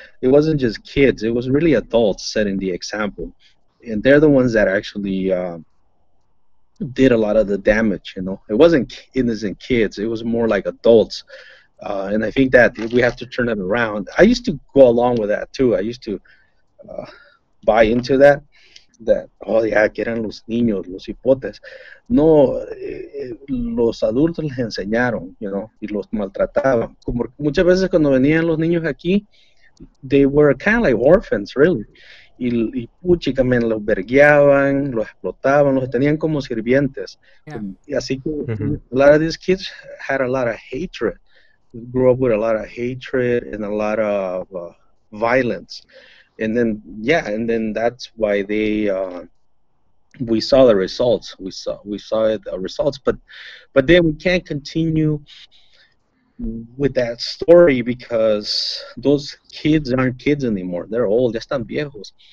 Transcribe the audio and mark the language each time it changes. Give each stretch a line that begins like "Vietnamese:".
English: It wasn't just kids; it was really adults setting the example, and they're the ones that actually did a lot of the damage. You know, it wasn't innocent kids; it was more like adults. And I think that we have to turn it around. I used to go along with that, too. I used to buy into that, oh, yeah,
Spanish: que eran los niños, los hipotes. No, los adultos les enseñaron,
English: you know,
Spanish: y los maltrataban. Como muchas veces cuando venían los niños aquí,
English: they were kind of like orphans, really.
Spanish: Y puchica, man, los vergueaban, los explotaban, los tenían como sirvientes. Yeah. Así que mm-hmm.
English: a lot of these kids had a lot of hatred. Grew up with a lot of hatred and a lot of violence, and then yeah, and then that's why they we saw the results. We saw the results, but then we can't continue with that story because those kids aren't kids anymore. They're old.
Spanish: Ya están viejos.